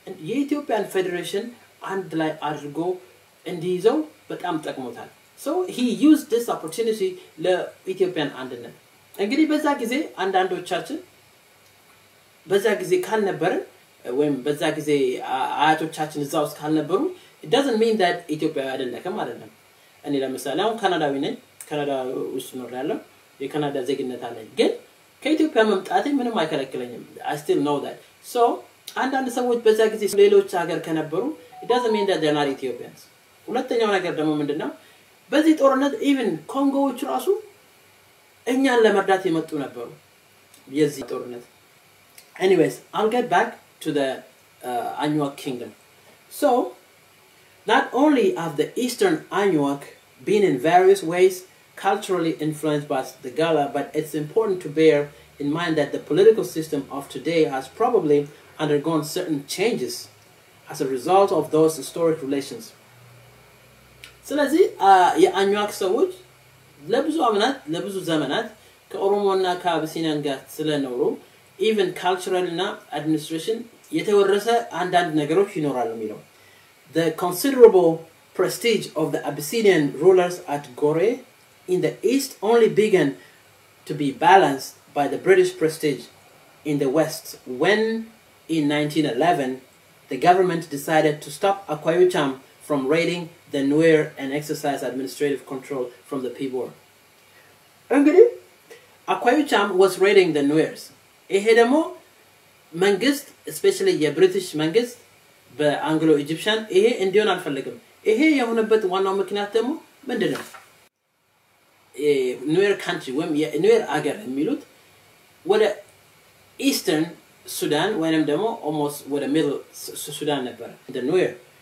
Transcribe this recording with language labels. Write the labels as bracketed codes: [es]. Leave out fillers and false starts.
[am] የኢትዮጵያን ፌዴሬሽን አንድ ላይ አድርጎ እንዲይዘው በጣም ጠቅሞታል። [en] So he used this opportunity [am] ለኢትዮጵያ አንድነት እንግዲህ በዛ ጊዜ አንዳንዶቻችን በዛ ጊዜ ካልነበረ ወይም በዛ ጊዜ አያቶቻችን እዛው ካልነበሩ [en] it doesn't mean that [am] ኢትዮጵያ አይደለም አይደለም። እኔ ለምሳሌ አሁን ካናዳዊ ነኝ፣ ካናዳ ውስጥ ነው ያለው፣ የካናዳ ዜግነት አለኝ፣ ግን ከኢትዮጵያ መምጣቴ ምንም አይከለክለኝም። [en] I still know that. So [am] አንዳንድ ሰዎች በዛ ጊዜ ሌሎች ሀገር ከነበሩ [en] it doesn't mean that they're not Ethiopians. [am] ሁለተኛው ነገር ደግሞ ምንድነው? በዚህ ጦርነት ኢቭን ኮንጎዎች ራሱ እኛን ለመርዳት የመጡ ነበሩ የዚህ ጦርነት። [en] Anyways, I'll get back to the Anyuak kingdom. So, not only have the Eastern Anyuak been in various ways culturally influenced by the Gala, but it's important to bear in mind that the political system of today has probably undergone certain changes as a result of those historic relations. [am] ስለዚህ የአኙዋክ ሰዎች ለብዙ አመታት ለብዙ ዘመናት ከኦሮሞና ከአብሲኒያን ጋር ስለነበሩ ኢቭን ካልቸራልና አድሚኒስትሬሽን የተወረሰ አንዳንድ ነገሮች ይኖራሉ የሚለው [en] the considerable prestige of the Abyssinian rulers at Gore in the east only began to be balanced by the British prestige in the west when in 1911 the government decided to stop Akwaeucham from raiding the Nuer and exercise administrative control from the people. እንግዲህ Akwaeucham was raiding the Nuers. [am] ይሄ ደግሞ መንግስት especially የብሪቲሽ መንግስት በአንግሎ ኢጂፕሽን ይሄ እንዲሆን አልፈልግም። ይሄ የሆነበት ዋናው ምክንያት ደግሞ ምንድነው? የኑዌር ካንትሪ ወይም የኑዌር አገር የሚሉት ወደ ኢስተርን ሱዳን ወይንም ደግሞ ኦልሞስት ወደ ሚድል ሱዳን ነበር the Nuer.